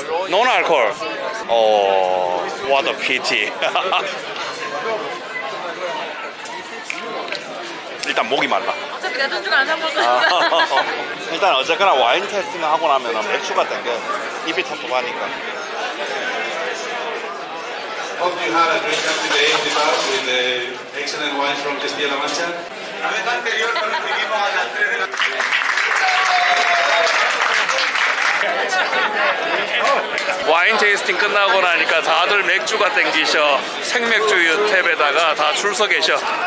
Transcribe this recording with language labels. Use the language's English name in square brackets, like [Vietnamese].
[English] No alcohol. Oh, what a pity. [Korean] 일단 목이 말라. 내 일단 어쨌거나 와인 테스팅을 하고 나면 맥주가 된게 입이 텁텁하니까. [English] Hope you had a great time today in the bar with the excellent wines from Castilla-La Mancha. [Spanish] La vez anterior nos recibimos a las 3 de la [Korean] Wine tasting 끝나고 나니까 다들 맥주가 땡기셔. 생맥주 탭에다가 다 줄 서 계셔.